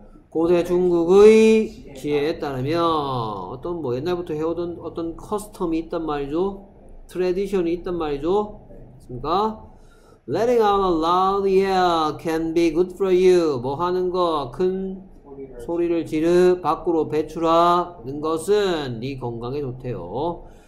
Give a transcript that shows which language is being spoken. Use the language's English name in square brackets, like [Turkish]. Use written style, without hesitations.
[Korean] 고대 중국의 지혜에 따르면 어떤 뭐 옛날부터 해오던 어떤 커스텀이 있단 말이죠. 트레디션이 있단 말이죠. 그렇습니까? [English] Letting out a loud yell can be good for you. [Korean] 뭐 하는 거? 큰 소리를 지르 밖으로 배출하는 것은 네 건강에 좋대요.